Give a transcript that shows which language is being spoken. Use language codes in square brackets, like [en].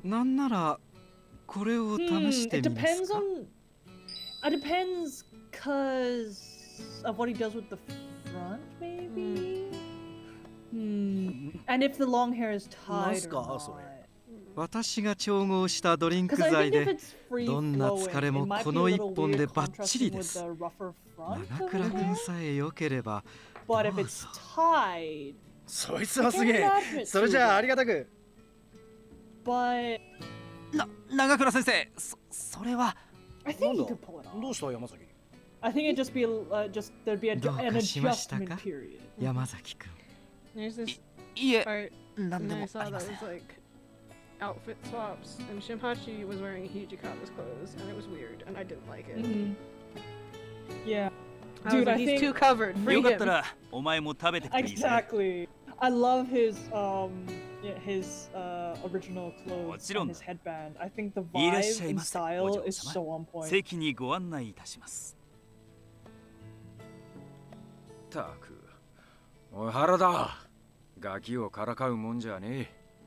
[ja] なんならこれを試してみますか。 [en] It depends because of what he does with the front, maybe. And if the long hair is tied or not. [ja] 私が調合したドリンク剤でどんな疲れもこの一本でバッチリです。長倉君さえ良ければ。 [en] But if it's tied. [ja] そいつはすげえ。それじゃあありがたく。長倉先生、それは。 [en] I think you could pull it off. [ja] どうした山崎。 [en] I think it'd just be just there'd be an adjustment period. [ja] どうかしましたか、山崎君。 [en] There's this part. [ja] いえ、なんでもありません。 [en] Outfit swaps and Shinpachi was wearing Hijikata's clothes and it was weird and I didn't like it. Yeah. Dude, he's too covered. Free him. [ja] よかったらお前も食べてくれ。 [en] Exactly. I love his original clothes and his headband. I think the vibe and style is so on point. [ja] 席にご案内いたします。たく、おい原田、ガキをからかうもんじゃねえ。